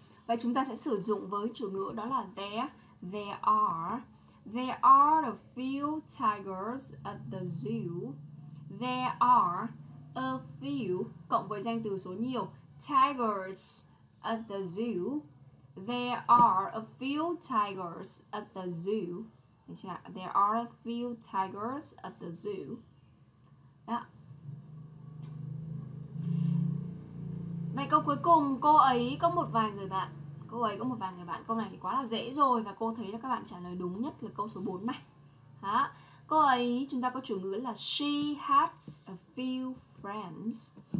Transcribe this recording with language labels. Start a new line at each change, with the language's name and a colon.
Vietnamese: Vậy chúng ta sẽ sử dụng với chủ ngữ đó là
English: There are a few tigers at the zoo. There are a few,
Vietnamese: cộng với danh từ số nhiều,
English: tigers at the zoo. There are a few tigers at the zoo. There are a few tigers at the zoo.
Vietnamese: Vậy câu cuối cùng, cô ấy có một vài người bạn. Cô ấy có một vài người bạn. Câu này thì quá là dễ rồi. Và cô thấy là các bạn trả lời đúng nhất là câu số 4 này. Đó. Cô ấy, chúng ta có chủ ngữ là
English: she has a few friends.